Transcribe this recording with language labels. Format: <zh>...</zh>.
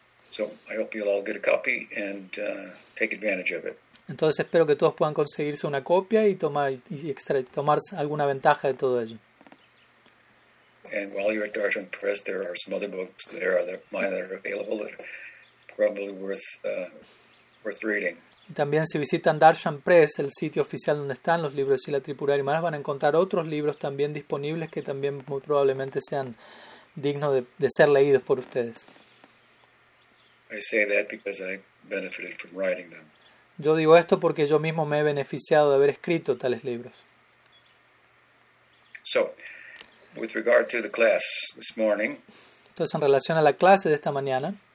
<en>So I hope you'll all get a copy and take advantage of it.</en> <es>Entonces espero que todos puedan conseguirse una copia y tomar alguna ventaja de todo ello.</es> <en>And while you're at Darshan Press, there are some other books there that are available that are probably worth reading.</en> <es>Y también si visitan Darshan Press, el sitio oficial donde están los libros de Sila Tripurari Maharaj, van a encontrar otros libros también disponibles que también muy probablemente sean dignos de ser leídos por ustedes.</es> <en>I say that because I benefited from writing them.</en> <es>Yo digo esto porque yo mismo me he beneficiado de haber escrito tales libros.</es> <en>So, with regard to the class this morning,</en> <es>entonces, en relación a la clase de esta mañana,</es>